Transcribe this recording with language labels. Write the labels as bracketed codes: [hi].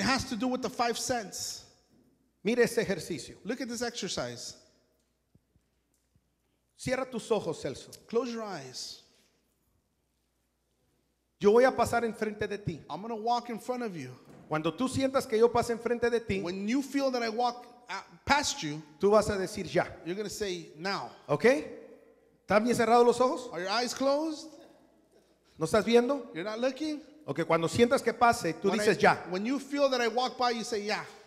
[en] It has to do with the five senses. [es] Mire este ejercicio. [en] Look at this exercise. [es] Cierra tus ojos, Celso. [en] Close your eyes. [es] Yo voy a pasar enfrente de ti. [en] I'm going to walk in front of you. [es] Cuando tú sientas que yo pase enfrente de ti, [en] when you feel that I walk past you, [es] tú vas a decir ya. [en] You're going to say now. [es] Okay? ¿Están bien cerrados los ojos? [en] Are your eyes closed? [es] ¿No estás viendo? [en] You're not looking. [es] Okay, cuando sientas que pase, tú [en] when [es] dices [en] I, [es] ya. [en] When you feel that I walk by, you say yeah.